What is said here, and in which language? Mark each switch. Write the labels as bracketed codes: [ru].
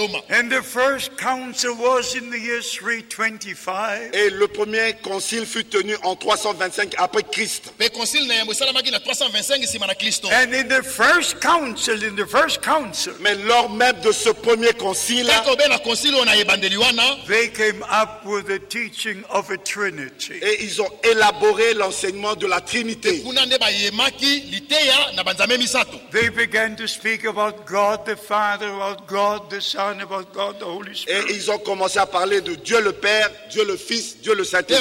[en] And the first council was in the year 325. [fr] Et le premier concile fut tenu en 325 après Christ. [en] And in the first council, [fr] mais lors même de ce premier concile, [en] they came up with the teaching of a Trinity. [fr] Et ils ont élaboré l'enseignement de la Trinité. [en] They began to speak about God the Father, about God the Son, about God the Holy Spirit. [fr] Et ils ont commencé à parler de Dieu le Père, Dieu le Fils, Dieu le Saint-Esprit.